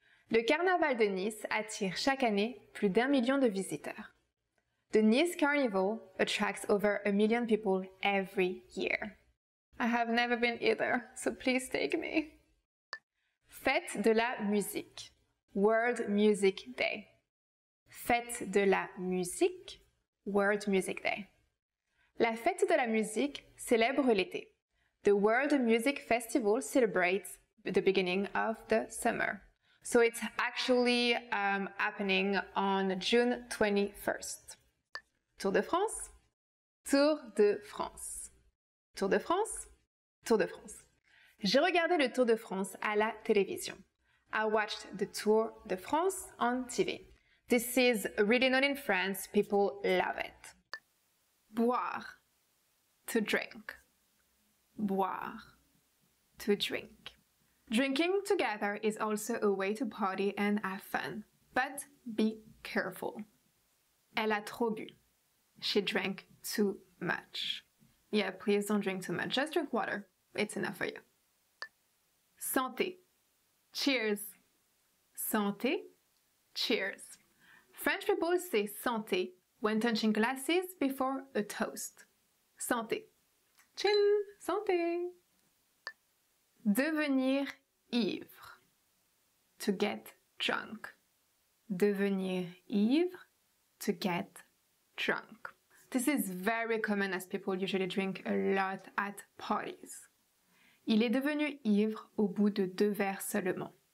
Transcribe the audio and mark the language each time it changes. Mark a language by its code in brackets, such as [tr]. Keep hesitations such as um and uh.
[fr] Le Carnaval de Nice attire chaque année plus d'un million de visiteurs. [en] The Nice Carnival attracts over a million people every year. I have never been either, so please take me. Fête de la musique. World Music Day. Fête de la musique. World Music Day. [fr] La fête de la musique célèbre l'été. [en] The World Music Festival celebrates the beginning of the summer. So it's actually um, happening on June 21st. Tour de France. Tour de France. Tour de France. Tour de France. [fr] Regardé le Tour de France à la télévision. [en] I watched the Tour de France on TV. This is really known in France. People love it boire, to drink. Boire, to drink. Drinking together is also a way to party and have fun, but be careful. [fr] Elle a trop bu. [en] She drank too much. Yeah, please don't drink too much. Just drink water. It's enough for you. Santé. Cheers. Santé. Cheers. French people say santé when touching glasses before a toast. Santé. [fr] Chin, santé. Devenir ivre. [en] To get drunk. [fr] Devenir ivre. [en] To get drunk. This is very common as people usually drink a lot at parties. [fr] Il est devenu ivre au bout de deux verres seulement.